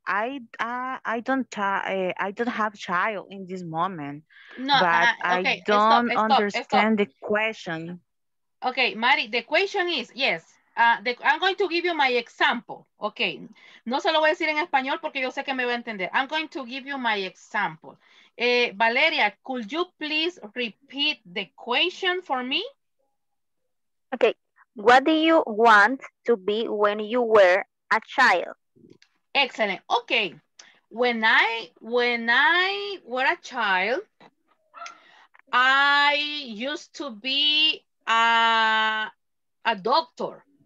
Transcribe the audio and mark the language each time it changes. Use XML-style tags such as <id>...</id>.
<en>I don't have a child in this moment. No, but okay. I don't understand the question. Okay, Mari, the question is, yes. I'm going to give you my example, okay.</en> <es>No se lo voy a decir en español porque yo sé que me va a entender.</es> <en>I'm going to give you my example. Valeria, could you please repeat the question for me? Okay, what do you want to be when you were a child? Excellent, okay. When I were a child, I used to be a doctor.</en>